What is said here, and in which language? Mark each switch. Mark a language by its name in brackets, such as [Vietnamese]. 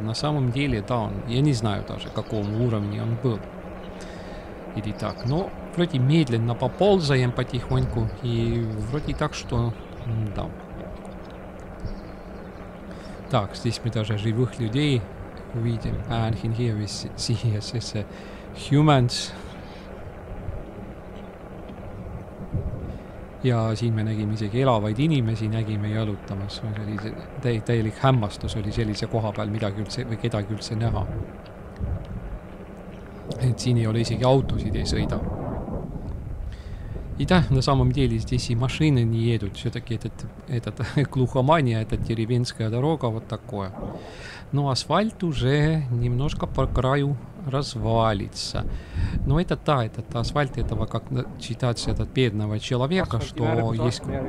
[Russian] На самом деле, да, он, я не знаю даже, какому уровне он был. Или так. Но вроде медленно поползаем потихоньку, и вроде так, что да. Так, здесь мы даже живых людей увидим. [English] And in here we see, yes, it's a humans. [Estonian] Ja siin me nägime isegi elavaid inimesi, nägime jalutamas. Täielik hämmastus oli sellise koha peal midagi üldse, või kedagi üldse näha. Et siin ei ole isegi autosid, ei sõida. [Russian] И да, на самом деле здесь и машины не едут, все-таки этот глухомания, эта деревенская дорога, вот такое. Но асфальт уже немножко по краю развалится. Но это да, этот асфальт, этого, как читать этот бедного человека, что есть...